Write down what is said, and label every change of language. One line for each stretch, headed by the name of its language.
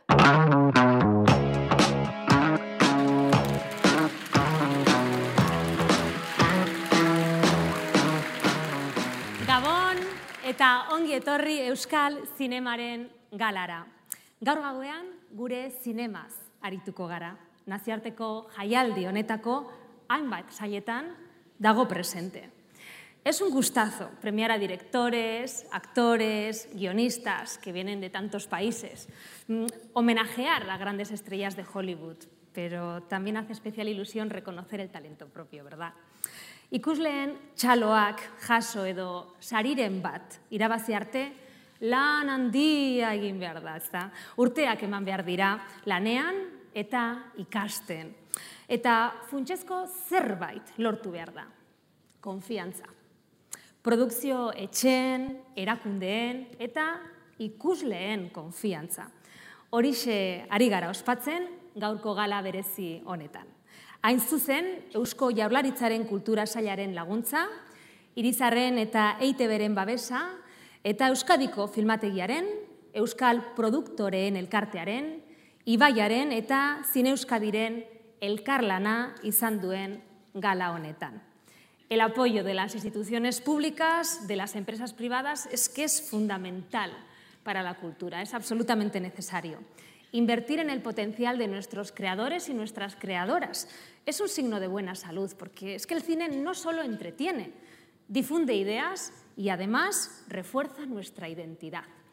Basque: Gabon eta ongi etorri Euskal Zinemaren galara. Gaur gauean gure zinemaz arituko gara. Nazioarteko jaialdi honetako hainbat saietan dago presente.
Spanish: Es un gustazo premiar a directores, actores, guionistas que vienen de tantos países, homenajear a grandes estrellas de Hollywood, pero también hace especial ilusión reconocer el talento propio, ¿verdad?
Basque: Ikusleen txaloak jaso edo sariren bat irabazi arte lan handia egin behar da, ezta? Urteak eman behar dira lanean eta ikasten. Eta funtsezko zerbait lortu behar da. Konfiantza. Produkzio etxeen, erakundeen eta ikusleen konfiantza. Horixe ari gara ospatzen gaurko gala berezi honetan. Hain zuzen, Eusko Jaurlaritzaren kultura sailaren laguntza, Irizarren eta EITB-ren babesa, eta Euskadiko filmategiaren, Euskal produktoreen elkartearen, Ibaiaren eta Zine Euskadiren elkarlana izan duen gala honetan.
Spanish: El apoyo de las instituciones públicas, de las empresas privadas, es que es fundamental para la cultura, es absolutamente necesario. Invertir en el potencial de nuestros creadores y nuestras creadoras es un signo de buena salud, porque es que el cine no solo entretiene, difunde ideas y además refuerza nuestra identidad.